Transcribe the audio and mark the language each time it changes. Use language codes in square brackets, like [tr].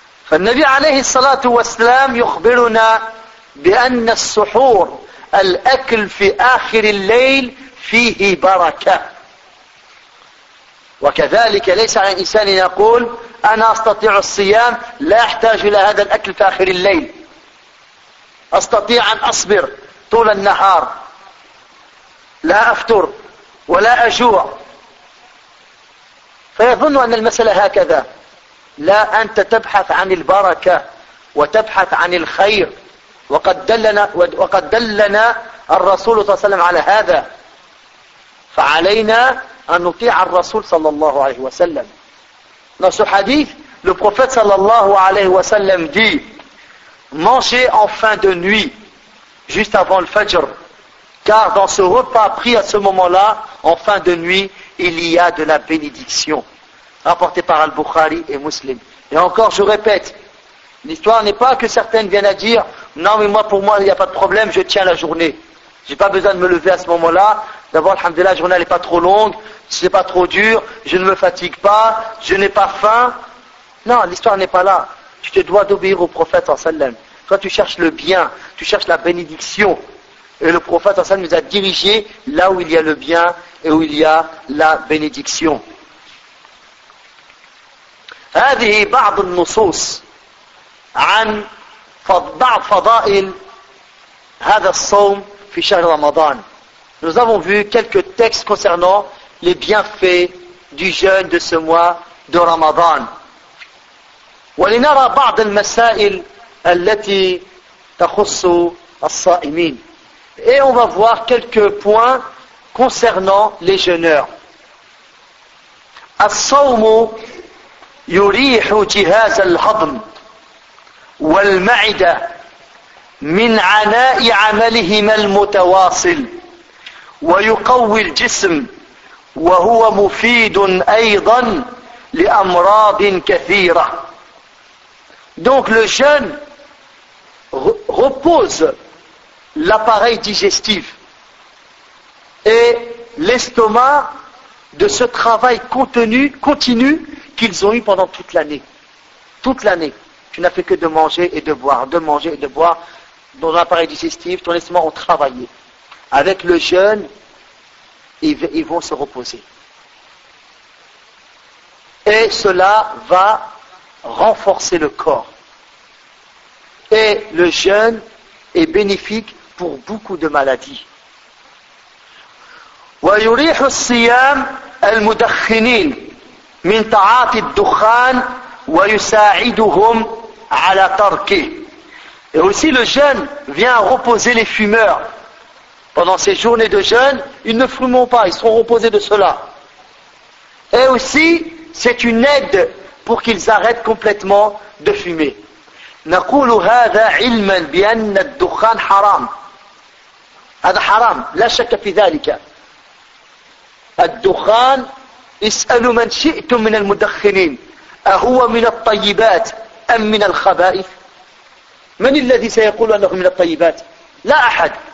[ar] فالنبي عليه الصلاة والسلام يخبرنا بأن السحور الأكل في آخر الليل فيه بركة، وكذلك ليس على الإنسان أن يقول أنا أستطيع الصيام لا أحتاج إلى هذا الأكل في آخر الليل، أستطيع أن أصبر طول النهار لا أفطر ولا أجوع، فيظن أن المسألة هكذا. لا، أنت تبحث عن البركة وتبحث عن الخير، وقد دلنا الرسول صلى الله عليه وسلم على هذا، فعلينا أن نطيع الرسول صلى الله عليه وسلم. نفس حديث للنبي صلى الله عليه وسلم دي: [fr] mangez en fin de nuit, juste avant le fajr, car dans ce repas pris à ce moment-là, en fin de nuit, il y a de la bénédiction. Rapporté par Al-Bukhari et Muslim. Et encore, je répète, l'histoire n'est pas que certaines viennent à dire, non mais moi, pour moi, il n'y a pas de problème, je tiens la journée. Je n'ai pas besoin de me lever à ce moment-là. D'abord, alhamdoulilah, la journée n'est pas trop longue, ce n'est pas trop dur, je ne me fatigue pas, je n'ai pas faim. Non, l'histoire n'est pas là. Tu te dois d'obéir au prophète en sallam. Toi tu cherches le bien, tu cherches la bénédiction. Et le prophète en sallam nous a dirigé là où il y a le bien et où il y a la bénédiction. [ar] هذه بعض النصوص عن بعض فضائل هذا الصوم في شهر رمضان. [fr] Nous avons vu quelques textes concernant les bienfaits du jeûne de ce mois de Ramadan. [ar] ولنرى بعض المسائل التي تخص الصائمين. [fr] Et on va voir quelques points concernant les jeûneurs. [ar] الصوم يريح جهاز الهضم والمعدة من عناء عملهما المتواصل ويقوي الجسم وهو مفيد أيضا لأمراض كثيرة. [fr] Donc le jeûne repose l'appareil digestif et l'estomac de ce travail continu qu'ils ont eu pendant toute l'année. Toute l'année. Tu n'as fait que de manger et de boire, de manger et de boire. Dans l'appareil digestif, ton estomac ont travaillé. Avec le jeûne, ils vont se reposer. Et cela va renforcer le corps. Et le jeûne est bénéfique pour beaucoup de maladies. [ar] ويريح الصيام المدخنين من تعاطي الدخان ويساعدهم على تركه. [fr] Et aussi le jeûne vient reposer les fumeurs. Pendant ces journées de jeûne, ils ne fumeront pas, ils seront reposés de cela. Et aussi, c'est une aide pour qu'ils arrêtent complètement de fumer. [ar] نقول هذا علما بأن الدخان حرام. هذا حرام. لا شك في ذلك. الدخان اسألوا من شئتم من المدخنين أهو من الطيبات أم من الخبائث؟ من الذي سيقول أنه من الطيبات؟ لا أحد.